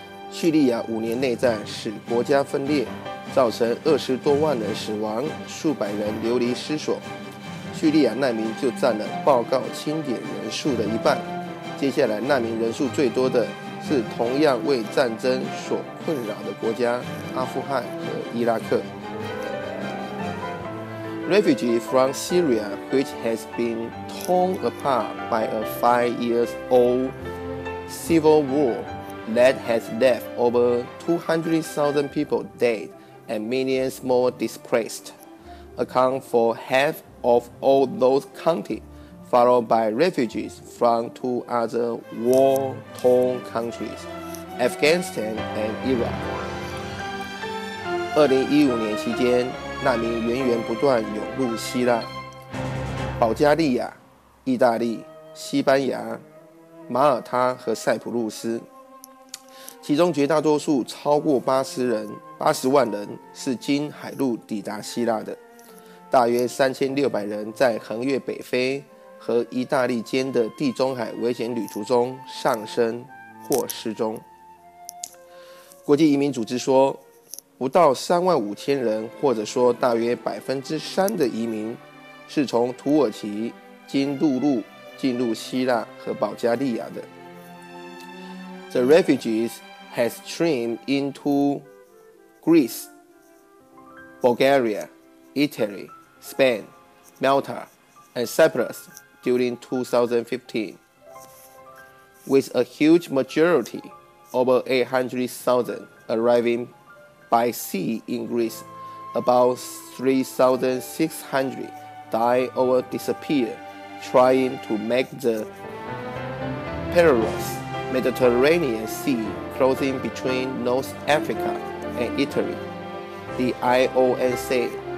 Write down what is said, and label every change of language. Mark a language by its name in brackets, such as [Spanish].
[Chinese] 叙利亚五年内战使国家分裂，造成20多万人死亡，数百人流离失所。叙利亚难民就占了报告清点人数的一半，接下来难民人数最多的是同样为战争所困扰的国家阿富汗和伊拉克。 [English] Refugee from Syria, which has been torn apart by a 5-year-old civil war that has left over 200,000 people dead and millions more displaced, account for halfof all those counties, followed by refugees from two other war-torn countries, Afghanistan and Iraq. [Chinese] 2015年期间，难民源源不断涌入希腊、保加利亚、意大利、西班牙、马耳他和塞浦路斯，其中绝大多数超过80万人是经海路抵达希腊的，大约3600人在横越北非和意大利间的地中海危险旅途中丧生或失踪。国际移民组织说，不到35000人，或者说大约3%的移民是从土耳其经陆路进入希腊和保加利亚的。 [English] The refugees has streamed into Greece, Bulgaria, Italy,Spain, Malta, and Cyprus during 2015, with a huge majority, over 800,000, arriving by sea in Greece, about 3,600 died or disappeared trying to make the perilous Mediterranean Sea crossing between North Africa and Italy, the IOM said.